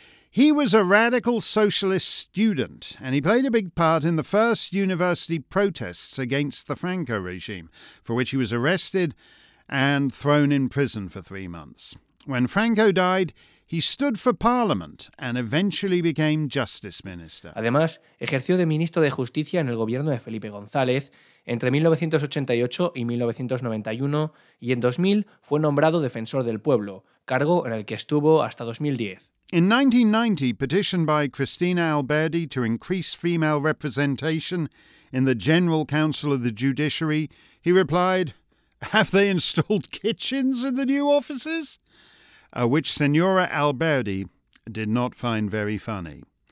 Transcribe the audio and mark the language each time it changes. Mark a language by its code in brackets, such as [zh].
[en] He was a radical socialist student, and he played a big part in the first university protests against the Franco regime, for which he was arrested and thrown in prison for 3 months. When Franco died, he stood for parliament and eventually became justice minister. [es] Además, ejerció de ministro de justicia en el gobierno de Felipe González entre 1988 y 1991, y en 2000 fue nombrado defensor del pueblo, cargo en el que estuvo hasta 2010. [en] In 1990, petitioned by Cristina Alberdi to increase female representation in the General Council of the Judiciary, he replied, "Have they installed kitchens in the new offices?" Which Senora Alberdi did not find very funny.